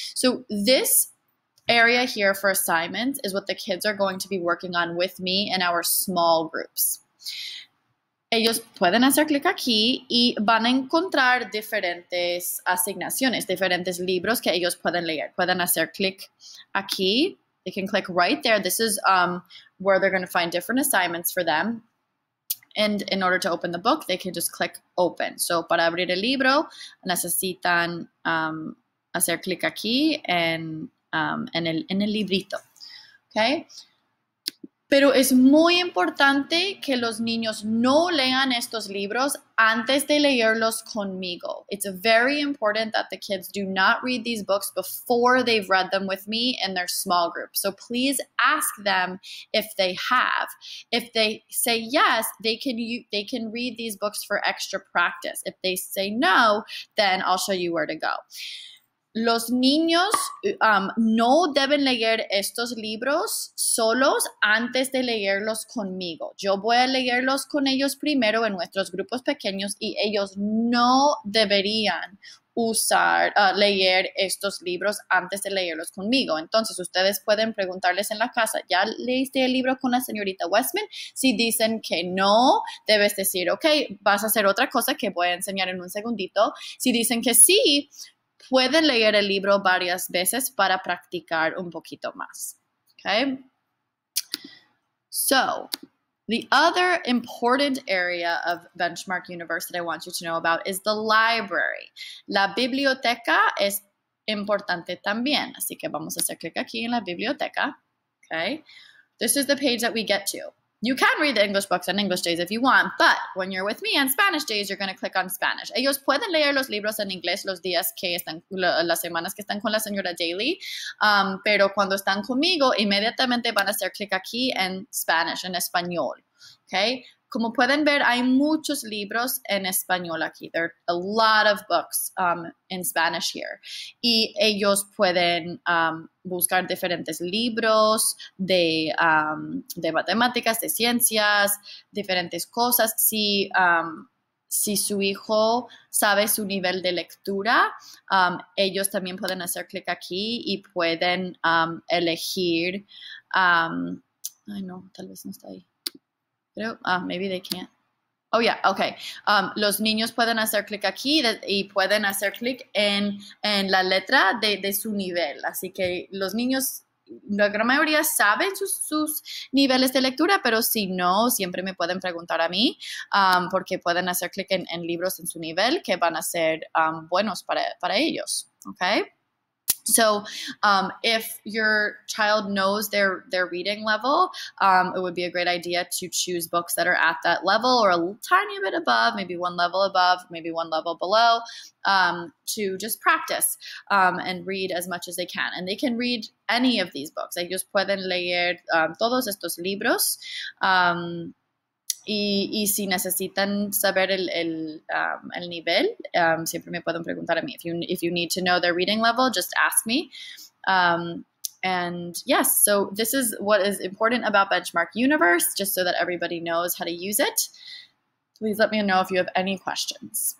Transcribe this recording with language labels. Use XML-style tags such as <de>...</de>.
<en>So, this area here for assignments is what the kids are going to be working on with me in our small groups.</en> <es>Ellos pueden hacer clic aquí y van a encontrar diferentes asignaciones, diferentes libros que ellos pueden leer. Pueden hacer clic aquí.</es> <en>They can click right there. This is where they're going to find different assignments for them. And in order to open the book, they can just click open.</en> <es>So, para abrir el libro, necesitan hacer clic aquí en el librito. Okay. Pero es muy importante que los niños no lean estos libros antes de leerlos conmigo.</es> <en>It's very important that the kids do not read these books before they've read them with me in their small group. So please ask them if they have. If they say yes, they can read these books for extra practice. If they say no, then I'll show you where to go.</en> <es>Los niños no deben leer estos libros solos antes de leerlos conmigo. Yo voy a leerlos con ellos primero en nuestros grupos pequeños y ellos no deberían leer estos libros antes de leerlos conmigo. Entonces, ustedes pueden preguntarles en la casa, ¿ya leíste el libro con la señorita Westman? Si dicen que no, debes decir, ok, vas a hacer otra cosa que voy a enseñar en un segundito. Si dicen que sí, pueden leer el libro varias veces para practicar un poquito más. Okay?</es> <en>So, the other important area of Benchmark Universe that I want you to know about is the library.</en> <es>La biblioteca es importante también, así que vamos a hacer clic aquí en la biblioteca. Okay?</es> <en>This is the page that we get to. You can read the English books on English days if you want, but when you're with me on Spanish days, you're going to click on Spanish.</en> <es>Ellos pueden leer los libros en inglés los días que están, las semanas que están con la señora Daly, pero cuando están conmigo, inmediatamente van a hacer clic aquí en Spanish, en español. Okay? Como pueden ver, hay muchos libros en español aquí.</es> <en>There are a lot of books in Spanish here.</en> <es>Y ellos pueden buscar diferentes libros de matemáticas, de ciencias, diferentes cosas. Si su hijo sabe su nivel de lectura, ellos también pueden hacer clic aquí y pueden elegir. Ay, no, tal vez no está ahí.</es> <en>Maybe they can't. Oh, yeah, okay.</en> <es>Los niños pueden hacer clic aquí y pueden hacer clic en la letra de su nivel. Así que los niños, la gran mayoría saben sus niveles de lectura, pero si no, siempre me pueden preguntar a mí, porque pueden hacer clic en libros en su nivel que van a ser buenos para ellos. Okay.</es> <en>So, if your child knows their reading level, it would be a great idea to choose books that are at that level or a tiny bit above, maybe one level above, maybe one level below, to just practice, and read as much as they can. And they can read any of these books.</en> <es>Ellos pueden leer, todos estos libros. Y si necesitan saber el nivel, siempre me pueden preguntar a mí.</es> <en>If you need to know their reading level, just ask me. And yes, so this is what is important about Benchmark Universe, just so that everybody knows how to use it. Please let me know if you have any questions.</en>